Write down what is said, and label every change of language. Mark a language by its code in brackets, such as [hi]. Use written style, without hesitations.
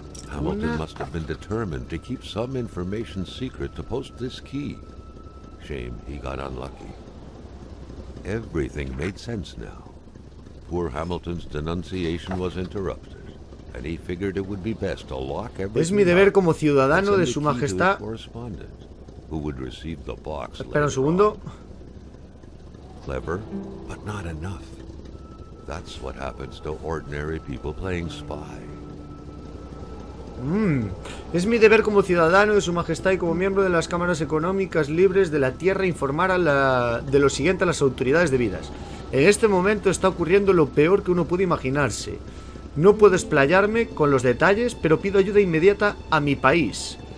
[en] Hamilton must have been determined to keep some information secret to post this key. Shame he got unlucky. Everything made sense now. Poor Hamilton's denunciation was interrupted, and he figured it would be best to lock everything. [es] Es mi deber como ciudadano de su majestad. [en] Correspondent who would receive the box. [es] Espera un segundo. [en] Clever, but not enough. That's what happens to ordinary people playing spy. [es] Es mi deber como ciudadano de su majestad y como miembro de las cámaras económicas libres de la tierra informar de lo siguiente a las autoridades debidas. En este momento está ocurriendo lo peor que uno puede imaginarse. No puedo explayarme con los detalles, pero pido ayuda inmediata a mi país.